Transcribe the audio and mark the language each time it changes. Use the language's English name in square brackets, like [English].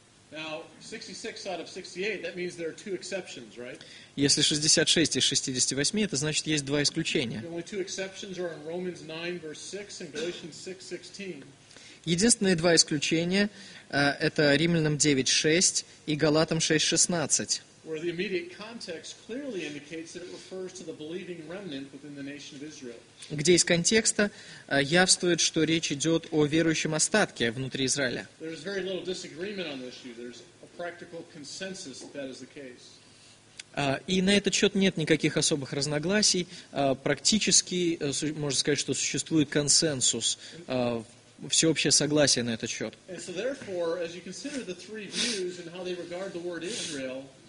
[English] Now, 66 out of 68, that means there are two exceptions, right? [Russian] Если 66 из 68, это значит, есть два исключения. [English] The only two exceptions are in Romans 9, verse 6, and Galatians 6, 16. [Russian] Единственные два исключения – это Римлянам 9, 6 и Галатам 6, 16. [English] Where the immediate context clearly indicates that it refers to the believing remnant within the nation of Israel. [Russian] Где из контекста явствует, что речь идет о верующем остатке внутри Израиля. [English] There is very little disagreement on this issue. There's a practical consensus that that is the case. [Russian] И на этот счет нет никаких особых разногласий. Практически, можно сказать, что существует консенсус, всеобщее согласие на этот счет. [English] And so therefore, as you consider the three views and how they regard the word Israel,